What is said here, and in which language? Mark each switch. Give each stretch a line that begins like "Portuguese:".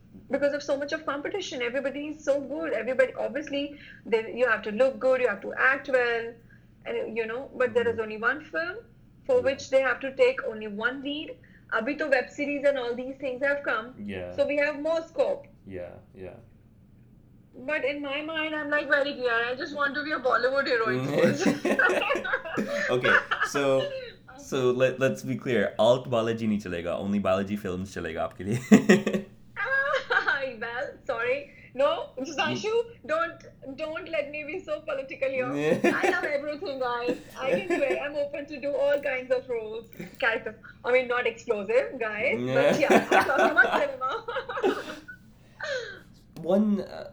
English: Because of so much of competition. Everybody is so good. Everybody, obviously, you have to look good, you have to act well, and you know, but there is only one film for which they have to take only one lead.
Hindi: Abhi to
English: web series and all these things have come. Yeah. So we have more scope. Yeah, yeah. But in my mind, I'm like, very clear. I just want to be a Bollywood heroine. Okay, so let's be clear.
Hindi: Alt Balaji नहीं चलेगा।
English: Only Balaji films
Hindi: चलेगा आपके लिए।
English: Well, sorry. No, Sashu, don't let me be so politically off. I love everything, guys. I'm open to do all kinds of roles. Characters. I mean, not explosive, guys. But yeah, I'm talking about cinema.